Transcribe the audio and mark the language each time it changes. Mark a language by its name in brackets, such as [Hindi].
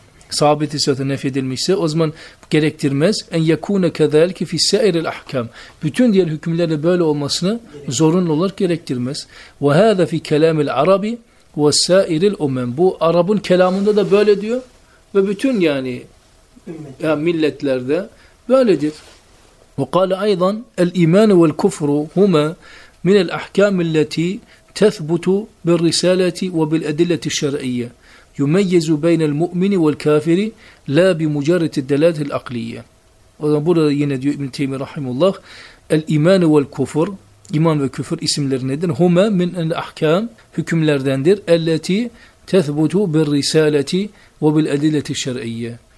[Turkish] sabit ise ya da nef edilmiş ise o zaman gerektirmez [Arabic] en yekuna kedalik fi sair el ahkam [Turkish] bütün diğer hükümlerde böyle olmasını zorunlu olarak gerektirmez [Arabic] ve hada fi kelam el arabi ve sair el umem [Turkish] bu Arap'ın kelamında da böyle diyor ve bütün yani ya milletlerde böyledir. [Arabic] وقال أيضا الإيمان والكفر هما من الأحكام التي تثبت بالرسالة وبالأدلة الشرعية. yumeyyizu beynel mu'mini vel kafiri la bi mucaretid delaletil akliye. [Turkish] O zaman burada yine diyor İbn-i Teymi Rahimullah, el iman vel kufur, iman ve küfür isimleri nedir? [Arabic] Huma min el ahkam, [Turkish] hükümlerdendir. [Arabic] Elleti tethbutu bir risaleti ve bil edileti şer'iyye.